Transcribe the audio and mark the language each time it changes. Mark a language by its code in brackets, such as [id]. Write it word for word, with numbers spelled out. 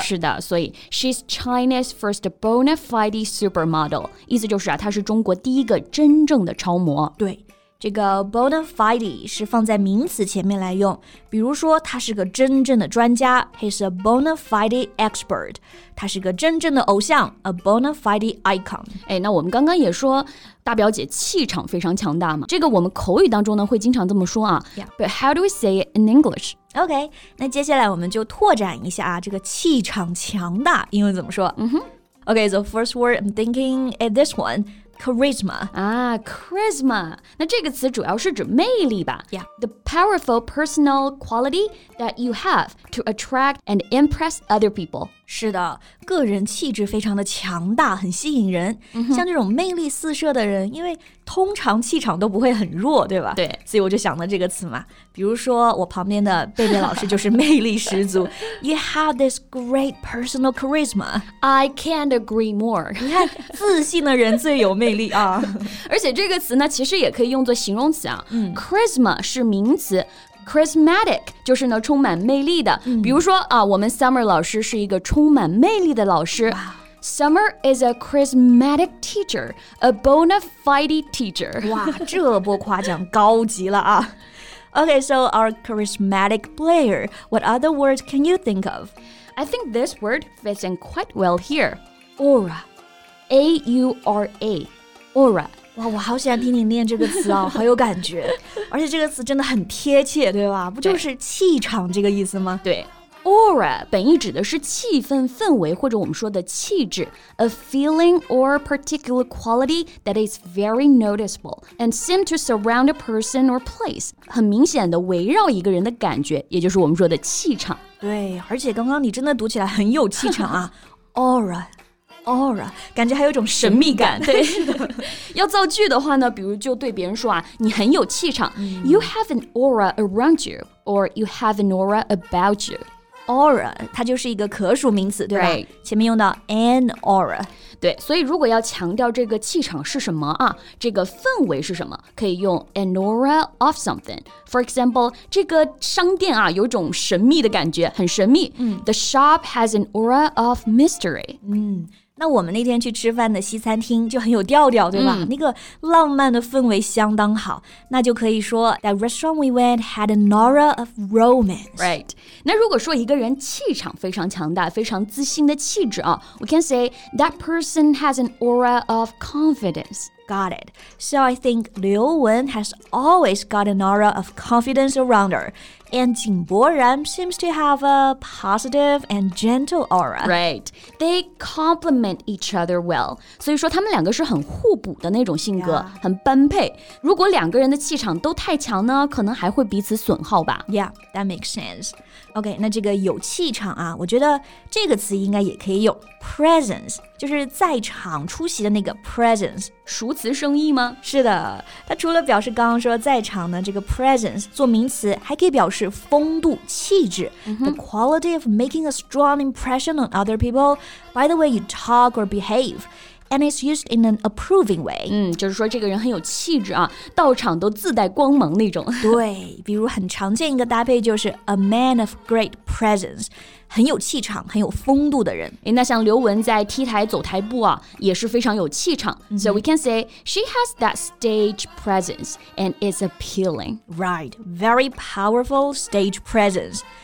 [zh] 是的，所以 [en] she's China's first bona fide supermodel [zh] 意思就是啊，她是中国第一个真正的超模。对，这个 bona fide 是放在名词前面来用，比如说他是个真正的专家 ， [en] he's a bona fide expert。 [zh] 他是个真正的偶像 ， [en] a bona fide icon。 [zh] 哎，那我们刚刚也说大表姐气场非常强大嘛，这个我们口语当中呢会经常这么说啊。 [en] Yeah. But how do we say it in English? [zh] OK， 那接下来我们就拓展一下啊，这个气场强大英文怎么说？嗯哼。 [en] OK, so first word I'm thinking is this one. Charisma. Ah, charisma. [zh] 那这个词主要是指魅力吧。 [en] Yeah. The powerful personal quality that you have to attract and impress other people. [zh] 是的，个人气质非常的强大，很吸引人。 Mm-hmm. 像这种魅力四射的人，因为通常气场都不会很弱，对吧？对。所以我就想到这个词嘛。比如说我旁边的贝贝老师就是魅力十足。 [en] You have this great personal charisma. I can't agree more. [zh] 你看，自信的人最有魅力。魅力啊，而且这个词呢，其实也可以用作形容词啊。嗯、charisma 是名词 ，charismatic 就是呢充满魅力的。嗯、比如说啊，我们 Summer 老师是一个充满魅力的老师。 [en] Summer is a charismatic teacher, a bona fide teacher. [zh] 哇，这波夸奖高级了啊。 [en] Okay, so our charismatic player. What other words can you think of? I think this word fits in quite well here. Aura. A U R A, aura. [zh] 哇，我好喜欢听你念这个词啊，好有感觉。而且这个词真的很贴切，对吧？不就是气场这个意思吗？对。 Aura 本意指的是气氛氛围或者我们说的气质 [en] A feeling or particular quality that is very noticeable and seem to surround a person or place [zh] 很明显的围绕一个人的感觉，也就是我们说的气场。对，而且刚刚你真的读起来很有气场啊。Aura aura， 感觉还有一种神秘感。对，要造句的话呢，比如就对别人说啊，你很有气场、嗯、 [en] You have an aura around you, or you have an aura about you。 [zh] Aura 它就是一个可数名词，对吧、right. 前面用到 an aura，对，所以如果要强调这个气场是什么啊，这个氛围是什么，可以用 [en] an aura of something。 For example， [zh] 这个商店啊有种神秘的感觉，很神秘、嗯、 [en] The shop has an aura of mystery。 [zh] 嗯，那我们那天去吃饭的西餐厅就很有调调，对吧、嗯、那个浪漫的氛围相当好，那就可以说 [en] That restaurant we went had an aura of romance. Right. [zh] 那如果说一个人气场非常强大，非常自信的气质啊， [en] We can say that person has an aura of confidence. Got it. So I think Liu Wen has always got an aura of confidence around her. And Jing Boran seems to have a positive and gentle aura. Right. They complement each other well. [zh] 所以说他们两个是很互补的那种性格、yeah. 很般配。如果两个人的气场都太强呢，可能还会彼此损耗吧。 [en] Yeah, that makes sense. [zh] OK, 那这个有气场啊，我觉得这个词应该也可以用 presence， 就是在场出席的那个 presence。熟词生义吗？是的，它除了表示刚刚说在场呢，这个 presence 做名词，还可以表示风度、气质。 Mm-hmm. [en] The quality of making a strong impression on other people by the way you talk or behave. And it's used in an approving way. [zh] 嗯，就是说这个人很有气质啊，到场都自带光芒那种。对，比如很常见一个搭配就是 [en] a man of great presence， [zh] 很有气场、很有风度的人。那像刘雯在 T 台走台步啊，也是非常有气场。 Mm-hmm. [en] So we can say she has that stage presence and it's appealing. Right, very powerful stage presence.